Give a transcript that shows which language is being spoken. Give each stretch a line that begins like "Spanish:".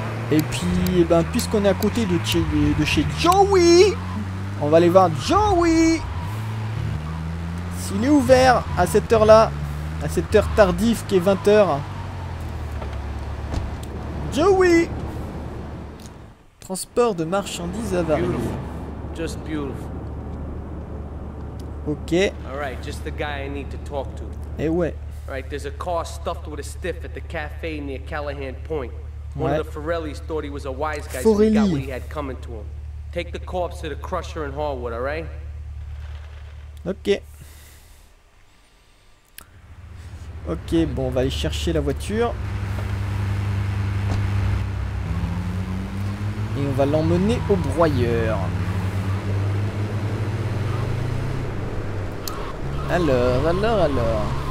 French: Et puis, et ben, puisqu'on est à côté de chez Joey, on va aller voir Joey. S'il est ouvert à cette heure-là, à cette heure tardive qui est 20h. Joey. Transport de marchandises avariées.
English: Just beautiful. Ok. Alright, just the guy I need to talk to.
French: Eh ouais.
English: Alright, there's a car stuffed with a stiff at the cafe near Callahan Point. Ouais. One of the Forellis thought he was a wise guy, Forelli. So he got what he had coming to him. Take the corpse to the crusher in Harwood, alright? Ok.
French: Ok, bon, on va aller chercher la voiture. Et on va l'emmener au broyeur. Alors.